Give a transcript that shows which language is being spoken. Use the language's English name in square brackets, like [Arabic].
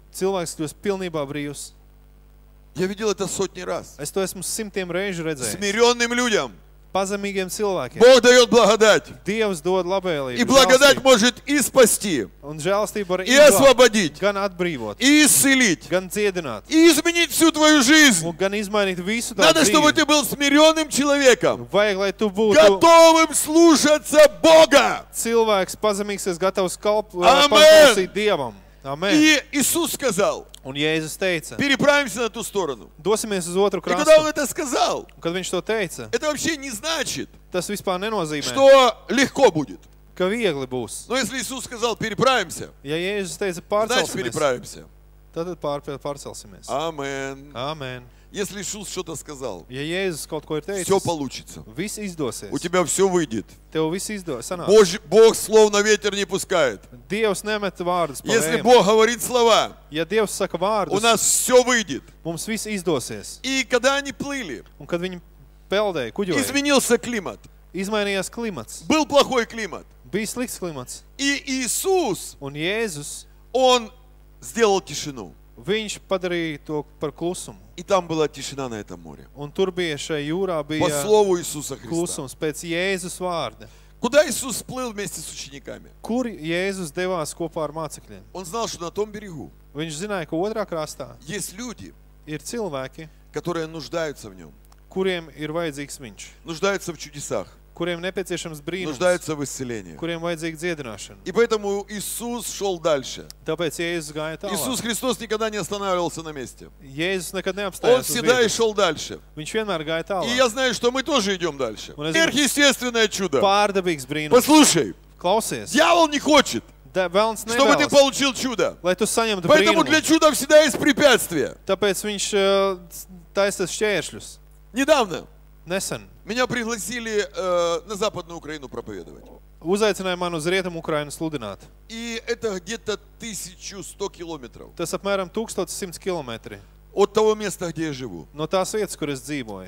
[Latvian] Cilvēks kļūst pilnībā brīvs. [Russian] Я видел это сотни раз. [Latvian] Es to esmu simtiem reižu redzējis. [Russian] Смиренным людям. [Latvian] Pazemīgiem cilvēkiem. [Russian] Бог даёт благодать. [Latvian] Dievs dod labvēlību. [Russian] И благодать может и спасти. [Latvian] Un žēlstība var [Russian] и освободить. [Latvian] Gan atbrīvot. [Russian] И исцелить. [Latvian] Gan dziedināt. [Russian] И изменить всю твою жизнь. [Latvian] Un gan izmainīt visu tavu dzīvi. [Russian] Надо, чтобы ты был смиренным человеком. [Latvian] Vajag, lai tu būtu [Russian] готовым слушаться Бога. [Latvian] Cilvēks pazemīgsies, gatavs paklausīt Dievam. Amen. [Russian] И Иисус сказал. [Latvian] Un Jēzus teica. [Russian] Переправимся на ту сторону. [Latvian] Dosimies uz otru krastu. [Russian] И когда он это сказал. [Latvian] Kad viņš to teica. [Russian] Это вообще не значит. [Latvian] Tas vispār nenozīmē. [Russian] Что легко будет. [Latvian] Ka viegli būs. [Russian] Но если Иисус сказал, переправимся. [Latvian] Ja Jēzus teica, pārcelsimies. [Russian] Значит, переправимся. [Latvian] Tad pārcelsimies. [Russian] Amen. [Latvian] Amen. [Russian] Если Иисус что-то сказал. [Latvian] Ja Jēzus kaut ko ir teicis. [Russian] Все получится. [Latvian] Viss izdosies. [Russian] У тебя все выйдет. [Latvian] Tev viss izdosies. [Russian] Бог словно ветер не пускает. [Latvian] Dievs nemet vārdus pa vējiem. [Russian] Если Бог говорит слова. [Latvian] Ja Dievs saka vārdus. [Russian] У нас все выйдет. [Latvian] Mums viss izdosies. [Russian] И когда они плыли. [Latvian] Un kad viņi peldēja, kuģoja. [Russian] Изменился климат. [Latvian] Izmainījās klimats. [Russian] Был плохой климат. [Latvian] Bija slikts klimats. [Russian] И Иисус. [Latvian] Un Jēzus. [Russian] Он сделал тишину. [Latvian] Viņš padarīja to par klusumu. [Russian] И там была тишина на этом море. [Latvian] Un tur bija šai jūrā bija [Russian] По слову Иисуса Христа. [Latvian] Klusums pēc Jēzus vārda. [Russian] Куда Иисус плыл вместе с учениками? [Latvian] Kur Jēzus devās kopā ar mācekļiem? [Russian] Он знал, что на том берегу. [Latvian] Viņš zināja, ka otrā krastā. [Russian] Есть люди. [Latvian] Ir cilvēki, [Russian] которые нуждаются в нём. [Latvian] Kuriem ir vajadzīgs viņš. [Russian] Нуждаются в чудесах. [Latvian] Kuriem nepieciešams brīnums. [Russian] Нуждаются в исцелении. [Latvian] Kuriem vajadzīga dziedināšana. [Russian] И поэтому Иисус шёл дальше. [Latvian] Tāpēc Jēzus gāja tālāk. [Russian] Иисус Христос никогда не останавливался на месте. [Latvian] Jēzus nekad neapstājās. [Russian] Он всегда шёл дальше. [Latvian] Viņš vienmēr gāja tālāk. [Russian] И я знаю, что мы тоже идём дальше. Сверхъестественное чудо. [Latvian] Pārdabīgs brīnums. [Russian] Послушай. [Latvian] Klausies. [Russian] Дьявол не хочет. [Latvian] Velns nevēlas, [Russian] чтобы ты получил чудо. [Latvian] Lai tu saņemtu [Russian] Поэтому для чуда всегда есть препятствия. [Latvian] Tāpēc viņš taisās šķēršļus. [Russian] Недавно. [Latvian] Nesen. [Russian] Меня пригласили на Западную Украину проповедовать. [Latvian] Uzaicināja man uz Rietumu Ukrainu sludināt. [Russian] И это где-то 1100 километров. [Latvian] Tas apmēram 1100 kilometri. [Russian] От того места, где я живу. [Latvian] No tās vietas, kur es dzīvoju.